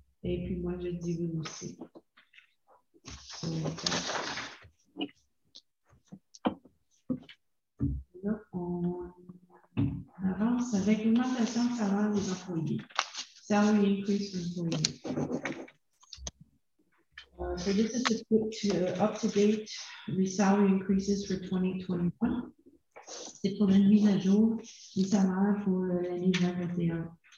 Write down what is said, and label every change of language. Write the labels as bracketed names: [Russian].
[French] Et puis moi, je dis oui aussi. Là, on avance avec l'augmentation de salaire des employés. [English] Salary increase for employees. So this is up to date the salary increases for 2021. [French] C'est pour une mise à jour du salaire pour l'année 2021.